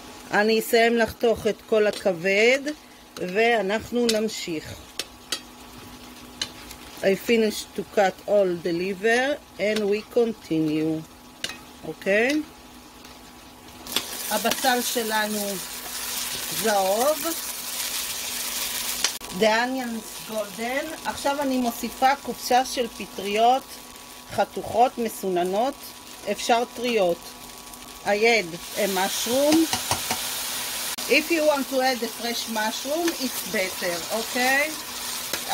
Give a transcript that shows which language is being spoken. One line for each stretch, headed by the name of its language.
Hebrew: אני אסיים לחתוך את כל הכבד ואנחנו נמשיך.
English: I finished to cut all the liver and we continue.
Hebrew: אוקיי, הבצל שלנו זהוב,
English: the onions golden,
Hebrew: עכשיו אני מוסיפה קופסה של פטריות חתוכות מסוננות, אפשר טריות,
English: I add a mushroom, if you want to add a fresh mushroom it's better, אוקיי, okay?